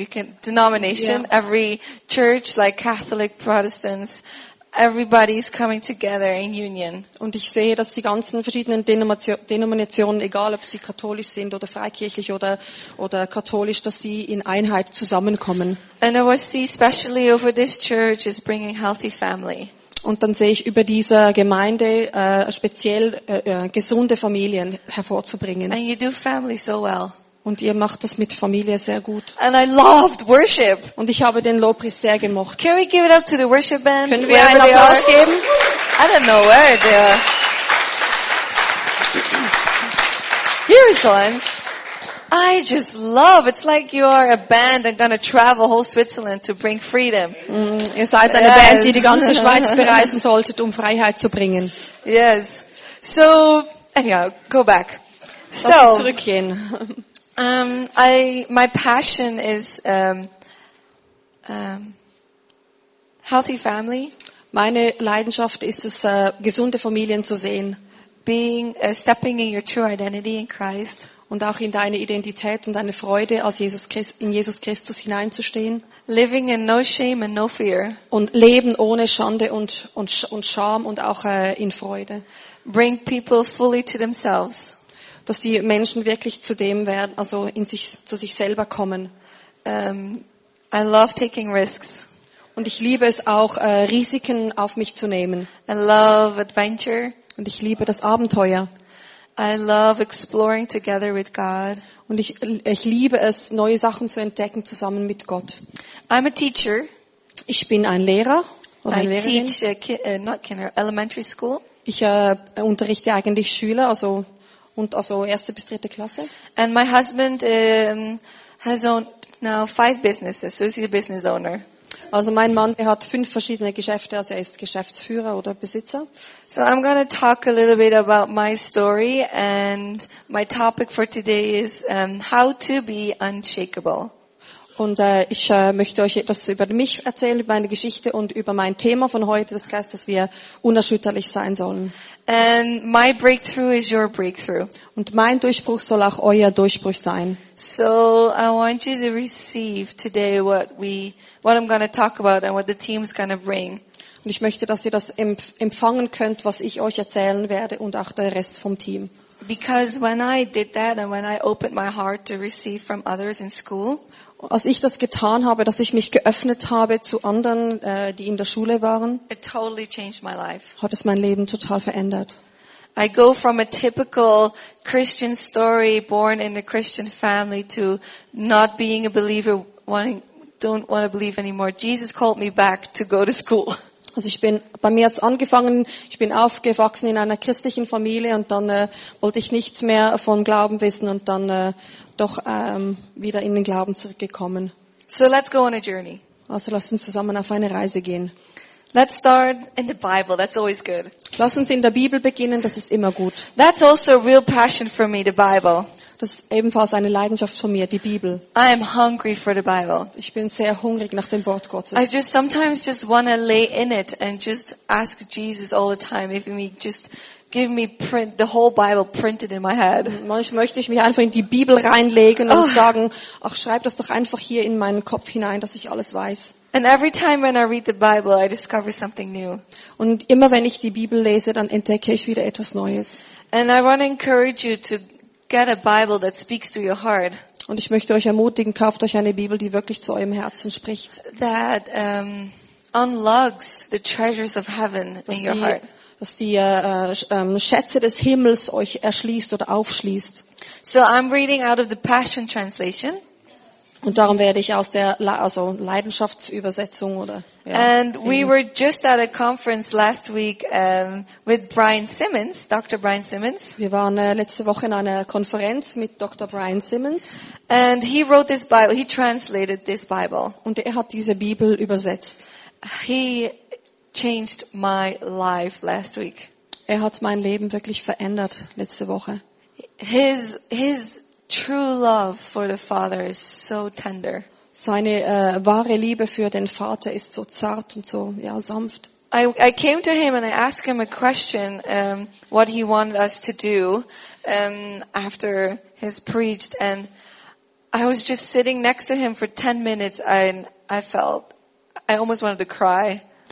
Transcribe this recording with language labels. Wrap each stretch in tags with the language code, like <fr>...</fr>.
<en>You can denomination. Yeah. Every church, like Catholic, Protestants. Everybody's coming together in union.</en> <de>Und ich sehe, dass die ganzen verschiedenen Denominationen, egal ob sie katholisch sind oder freikirchlich oder katholisch, dass sie in Einheit zusammenkommen.</de> <en>And what I see especially over this church is bringing healthy family.</en> <de>Und dann sehe ich über dieser Gemeinde speziell gesunde Familien hervorzubringen.</de> <en>And you do family so well.</en> <de>Und ihr macht das mit Familie sehr gut.</de> <en>And I loved worship.</en> <de>Und ich habe den Lobpreis sehr gemocht.</de> <en>Can we give it up to the worship band?</en> <de>Können wir einen Applaus geben?</de> <en>I don't know where they are. Here is one. I just love. It's like you are a band and gonna travel whole Switzerland to bring freedom.</en> <de>Ihr seid eine yes. Band, die die ganze Schweiz bereisen solltet, um Freiheit zu bringen.</de> <en>Yes. So, anyhow, go back.</en> <de>Lass uns zurückgehen.</de> <en>My passion is healthy family.</en> <de>Meine Leidenschaft ist es, gesunde Familien zu sehen.</de> <en>Being stepping in your true identity in Christ.</en> <de>Und auch in deine Identität und deine Freude als Jesus Christ, in Jesus Christus hineinzustehen.</de> <en>Living in no shame and no fear.</en> <de>Und leben ohne Schande und Scham und auch in Freude.</de> <en>Bring people fully to themselves.</en> <de>Dass die Menschen wirklich zu dem werden, also in sich, zu sich selber kommen.</de> <en>I love taking risks.</en> <de>Und ich liebe es auch, Risiken auf mich zu nehmen.</de> <en>I love adventure.</en> <de>Und ich liebe das Abenteuer.</de> <en>I love exploring together with God.</en> <de>Und ich liebe es, neue Sachen zu entdecken zusammen mit Gott.</de> <en>I'm a teacher.</en> <de>Ich bin ein Lehrer oder eine Lehrerin.</de> <en>I teach elementary school.</en> <de>Ich unterrichte eigentlich Schüler, also erste bis dritte Klasse.</de> <en>And my husband has owned now 5 businesses, so he's a business owner.</en> <de>Also mein Mann, er hat 5 verschiedene Geschäfte, also er ist Geschäftsführer oder Besitzer.</de> <en>So I'm going to talk a little bit about my story and my topic for today is how to be unshakable.</en> <de>Und ich möchte euch etwas über mich erzählen, über meine Geschichte und über mein Thema von heute, das heißt, dass wir unerschütterlich sein sollen.</de> <en>And my breakthrough is your breakthrough.</en> <de>Und mein Durchbruch soll auch euer Durchbruch sein.</de> <en>So I want you to receive today what I'm going to talk about and what the team is going to bring.</en> <de>Und ich möchte, dass ihr das empfangen könnt, was ich euch erzählen werde und auch der Rest vom Team.</de> <en>Because when I did that and when I opened my heart to receive from others in school,</en> <de>als ich das getan habe, dass ich mich geöffnet habe zu anderen, die in der Schule waren,</de> <en>it totally changed my life.</en> <de>Hat es mein Leben total verändert.</de> <en>I go from a typical Christian story, born in a Christian family, to not being a believer, don't want to believe anymore. Jesus called me back to go to school.</en> <de>Also ich bin, bei mir hat's angefangen, ich bin aufgewachsen in einer christlichen Familie und dann wollte ich nichts mehr vom Glauben wissen und dann wieder in den Glauben zurückgekommen.</de> <en>So let's go on a journey.</en> <de>Also lass uns zusammen auf eine Reise gehen.</de> <en>Let's start in the Bible, that's always good.</en> <de>Lass uns in der Bibel beginnen, das ist immer gut.</de> <en>That's also a real passion for me, the Bible.</en> <de>Das ist ebenfalls eine Leidenschaft von mir, die Bibel.</de> <en>I am hungry for the Bible.</en> <de>Ich bin sehr hungrig nach dem Wort Gottes.</de> <en>I just sometimes just want to lay in it and just ask Jesus all the time if he just give me print the whole Bible printed in my head.</en> <de>Manchmal möchte ich mich einfach in die Bibel reinlegen und sagen, ach, schreib das doch einfach hier in meinen Kopf hinein, dass ich alles weiß.</de> <en>And every time when I read the Bible, I discover something new.</en> <de>Und immer wenn ich die Bibel lese, dann entdecke ich wieder etwas Neues.</de> <en>And I want to encourage you to get a Bible that speaks to your heart.</en> <de>Und ich möchte euch ermutigen, kauft euch eine Bibel, die wirklich zu eurem Herzen spricht.</de> <en>That unlocks the treasures of heaven in your heart.</en> <de>Dass die Schätze des Himmels euch erschließt oder aufschließt.</de> <en>So I'm reading out of the Passion Translation.</en> <de>Und darum werde ich aus der Leidenschaftsübersetzung oder ja.</de> <en>And we were just at a conference last week with Brian Simmons, Dr. Brian Simmons.</en> <de>Wir waren letzte Woche in einer Konferenz mit Dr. Brian Simmons.</de> <en>And he wrote this Bible, he translated this Bible.</en> <de>Und er hat diese Bibel übersetzt.</de> <en>He changed my life last week.</en> <de>Er hat mein Leben wirklich verändert letzte Woche.</de> <en>His true love for the Father is so tender.</en> <de>Seine wahre Liebe für den Vater ist so zart und so ja sanft.</de> <en>I came to him and I asked him a question, what he wanted us to do after he's preached, and I was just sitting next to him for 10 minutes and I felt I almost wanted to cry.</en>